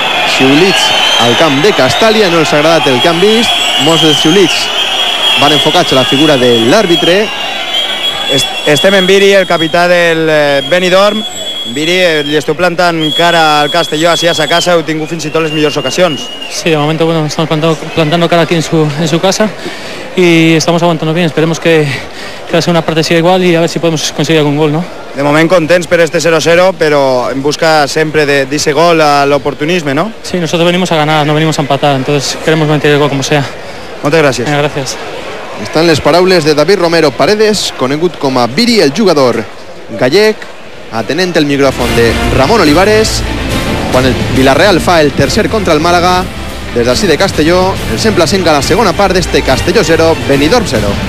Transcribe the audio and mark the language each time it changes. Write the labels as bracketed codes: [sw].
[ca] Xiulits al camp de Castalia, no els ha agradat el que han vist. Molts dels xiulits van enfocats a la figura de l'àrbitre. Estem en Viri, el capità del Benidorm. Viri, li esteu plantant cara al Castelló, així a sa casa, heu tingut fins i tot les millors ocasions. [es] Sí, de momento, bueno, estamos plantando cara aquí en su casa y estamos aguantando bien. Esperemos que la segunda parte siga igual y a ver si podemos conseguir algún gol, ¿no? [ca] De moment contents per este 0-0, però en busca sempre d'ese gol a l'oportunisme, ¿no? [es] Sí, nosotros venimos a ganar, no venimos a empatar, entonces queremos mantener el gol como sea. [ca] Moltes gràcies. [es] Venga, gracias. [ca] Estan les paraules de David Romero Paredes, conegut com a Viri, el jugador gallec, atenent el micròfon de Ramon Olivares, quan el Villarreal fa el tercer contra el Màlaga. Des d'ací de Castelló, el 100% a la segona part d'este Castelló 0, Benidorm 0.